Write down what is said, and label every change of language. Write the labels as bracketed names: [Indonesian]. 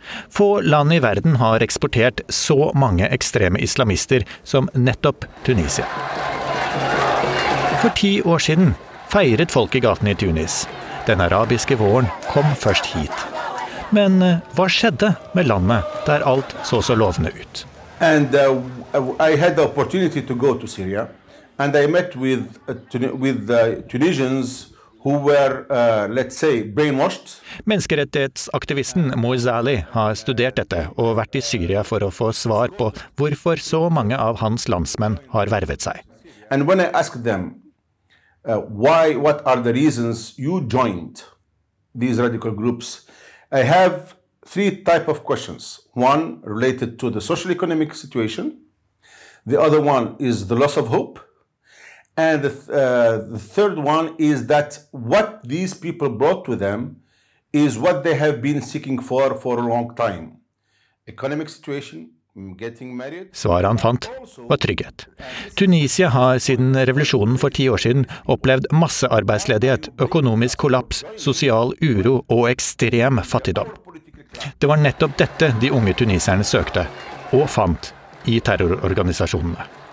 [Norwegian] Få land I verden har eksportert så mange ekstreme islamister som nettopp Tunisia. For 10 år siden feiret folk I gaten I Tunis. Den arabiske våren kom først hit. Men hva skjedde med landet der alt så lovende ut? [English] And I had the opportunity to go to Syria and I met with the Tunisians who were let's say brainwashed. [Norwegian] Menneskerettighetsaktivisten Moise Ali har studert dette og vært I Syria for å få svar på hvorfor så mange av hans landsmenn har vervet seg. [English] And when I asked them why what are the reasons you joined these radical groups? I have 3 type of questions. One related to the social economic situation. The other one is the loss of hope. And the third one is that what these people brought with them is what they have been seeking for a long time. Economic situation, getting married. [Norwegian] Svaret han fant var trygghet. Tunisia har siden revolusjonen for 10 år siden opplevd massearbeidsledighet, økonomisk kollaps, sosial uro og ekstrem fattigdom. Det var nettopp dette de unge tuniserne søkte og fant I terrororganisasjonene.